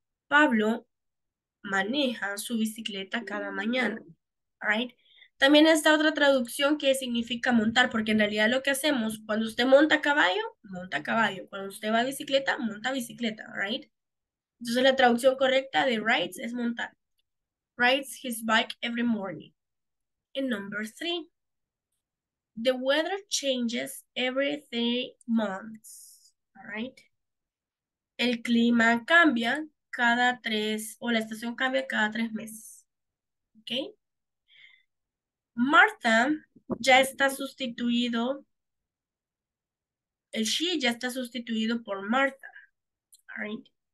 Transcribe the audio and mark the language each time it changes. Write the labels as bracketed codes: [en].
[es] Pablo maneja su bicicleta cada mañana. [en] All right? [es] También está otra traducción que significa montar, porque en realidad lo que hacemos, cuando usted monta caballo, monta caballo. Cuando usted va a bicicleta, monta bicicleta. [en] All right? [es] Entonces la traducción correcta de rides es montar. [en] Rides his bike every morning. And number three, the weather changes every 3 months, all right? [es] El clima cambia cada tres, o la estación cambia cada 3 meses, okay? Martha ya está sustituido El she ya está sustituido por Martha. Alright.